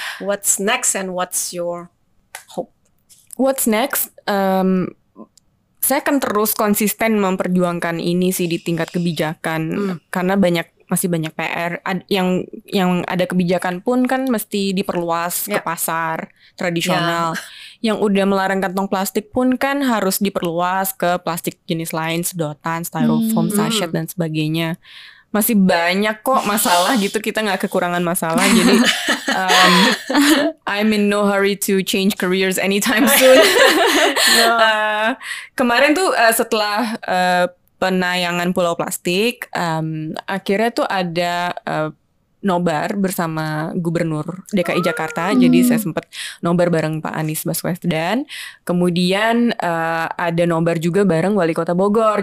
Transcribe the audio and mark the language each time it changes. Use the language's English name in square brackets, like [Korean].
[English] What's next and what's your what's next? [Indonesian] Saya akan terus konsisten memperjuangkan ini sih di tingkat kebijakan, karena masih banyak PR. Yang ada kebijakan pun kan mesti diperluas ke pasar tradisional. Yang udah melarang kantong plastik pun kan harus diperluas ke plastik jenis lain, sedotan, styrofoam, sachet dan sebagainya. Masih banyak kok masalah gitu, kita gak kekurangan masalah. Jadi [English] I'm in no hurry to change careers anytime soon. [Indonesian] Kemarin tuh setelah penayangan Pulau Plastik, akhirnya tuh ada nobar bersama Gubernur DKI Jakarta. Jadi saya sempat nobar bareng Pak Anies Baswedan. Kemudian ada nobar juga bareng Wali Kota Bogor.